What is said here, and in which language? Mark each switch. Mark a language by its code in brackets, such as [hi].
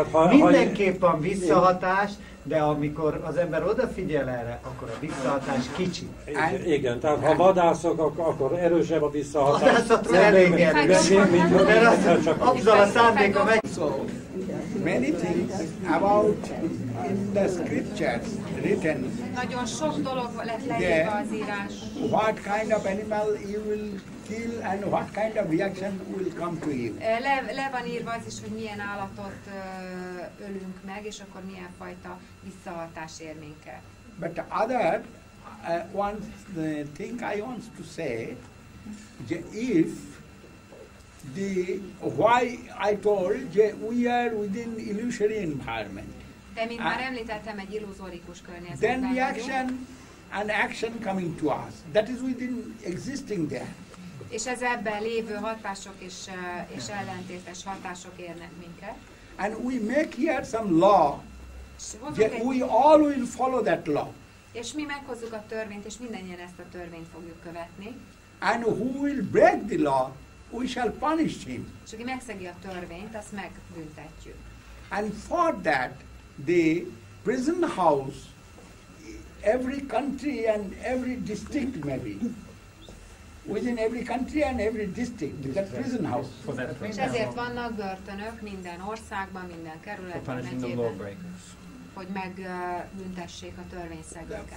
[hu] Mindenképp van visszahatás, de amikor az ember odafigyel erre, akkor a visszahatás kicsi. Igen, tehát ha vadászok, akkor erősebb a visszahatás. Vadászatról elég erős. Azzal a szándéka megy. [en] So, many things about in the scriptures written. [hu] Nagyon sok dolog lett leírva az írás. [en] What kind of animal you will kill and what kind of reaction will come to you. [hu] Le van írva az is, hogy milyen állatot ölünk meg, és akkor milyen fajta visszahatás ér minket. [en] But the other one thing I want to say, if the why I told we are within illusory environment. [hu] De mint már említettem, egy illuzórikus környezetben. [en] Then reaction and action coming to us. That is within existing there. [hu] És ez ebben lévő hatások és ellentétes hatások érnek minket. [en] And we make here some law. We all will follow that law. [hu] És mi meghozzuk a törvényt, és mindannyian ezt a törvényt fogjuk követni. [en] And who will break the law, we shall punish him. [hu] És aki megszegi a törvényt, azt megbüntetjük. [en] And for that, the prison house, every country and every district maybe, within every country and every district, the prison house. For that prison. [hu] És ezért vannak börtönök minden országban, minden kerületben. [en] For punishing the lawbreakers. [hu] Hogy megbüntessék a törvényszegőket.